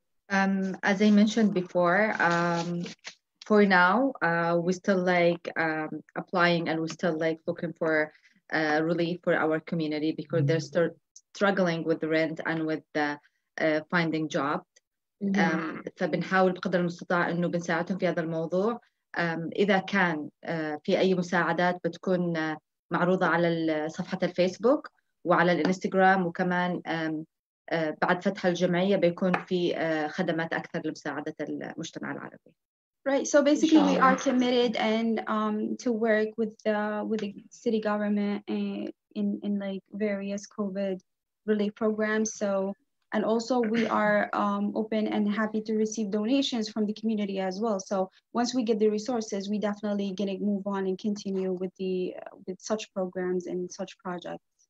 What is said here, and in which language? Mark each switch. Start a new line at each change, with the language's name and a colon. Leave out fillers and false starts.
English: As I mentioned before, for now, we're still like applying and we're still like looking for relief for our community because mm-hmm. they're struggling with rent and with finding jobs.
Arabic: فبنحاول بقدر المستطاع إنه بنساعدهم في هذا الموضوع. إذا كان في أي مساعدات بتكون معروضة على صفحة الفيسبوك وعلى الإنستغرام وكمان بعد فتح الجمعية بيكون في خدمات أكثر لمساعدة المجتمع العربي.
English: Right, so basically we are committed and to work with the city government in like various COVID relief programs. So And also we are open and happy to receive donations from the community as well. So once we get the resources, we definitely gonna move on and continue with the with such programs and such projects.